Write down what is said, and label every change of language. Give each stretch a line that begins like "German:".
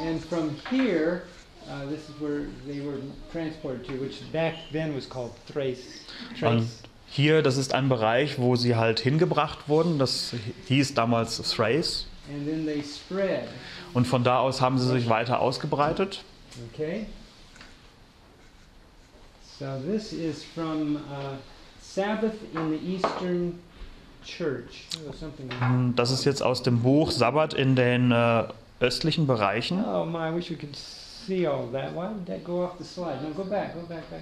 English: And from here, this is where they were transported to, which back then was called Thrace.
German: Hier, das ist ein Bereich, wo sie halt hingebracht wurden. Das hieß damals Thrace.
English: And then they spread.
German: Und von da aus haben sie sich weiter ausgebreitet. Okay.
English: So this is from Sabbath in the Eastern Church.
German: Das ist jetzt aus dem Buch Sabbat in den östlichen Bereichen.
English: Oh my, I wish we could see all that. Why would that go off the slide? No, go back. Okay.